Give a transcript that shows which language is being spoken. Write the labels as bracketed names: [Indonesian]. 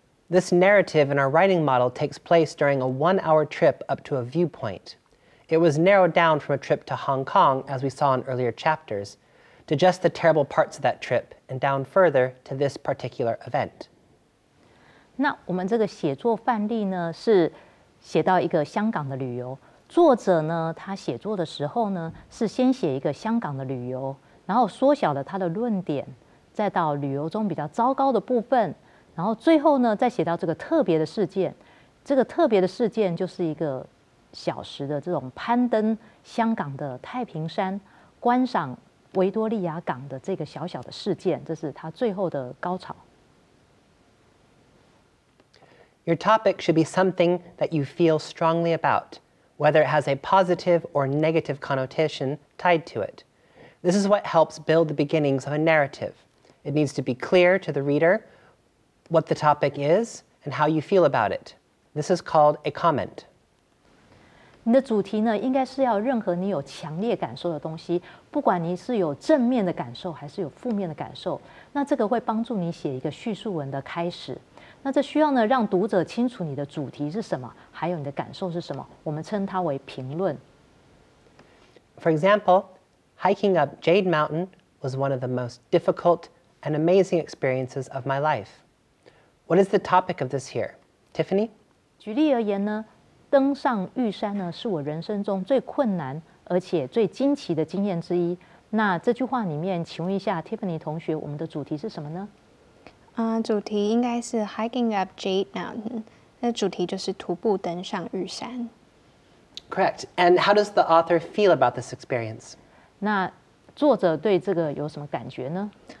[English] This narrative in our writing model takes place during a 1-hour trip up to a viewpoint. It was narrowed down from a trip to Hong Kong, as we saw in earlier chapters, to just the terrible parts of that trip, and down further to this particular event. [Chinese] 那我们这个写作范例呢，是写到一个香港的旅游。作者呢，他写作的时候呢，是先写一个香港的旅游，然后缩小了他的论点，再到旅游中比较糟糕的部分。然后最后呢，再写到这个特别的事件，这个特别的事件就是一个小时的这种攀登香港的太平山，观赏维多利亚港的这个小小的事件，这是他最后的高潮。 [English] Your topic should be something that you feel strongly about, whether it has a positive or negative connotation tied to it. This is what helps build the beginnings of a narrative. It needs to be clear to the reader. What the topic is and how you feel about it. This is called a comment. [Chinese] 你的主题呢，应该是要任何你有强烈感受的东西，不管你是有正面的感受还是有负面的感受，那这个会帮助你写一个叙述文的开始。那这需要呢，让读者清楚你的主题是什么，还有你的感受是什么，我们称它为评论。 [English] For example, Hiking up Jade Mountain was one of the most difficult and amazing experiences of my life. What is the topic of this year, Tiffany? [Chinese] 举例而言呢，登上玉山呢，是我人生中最困难而且最惊奇的经验之一。那这句话里面，请问一下 Tiffany 同学，我们的主题是什么呢？主题应该是 [English] hiking up Jade Mountain， [Chinese] 那主题就是徒步登上玉山。 [English] Correct. And how does the author feel about this experience? [Chinese] 那作者对这个有什么感觉呢？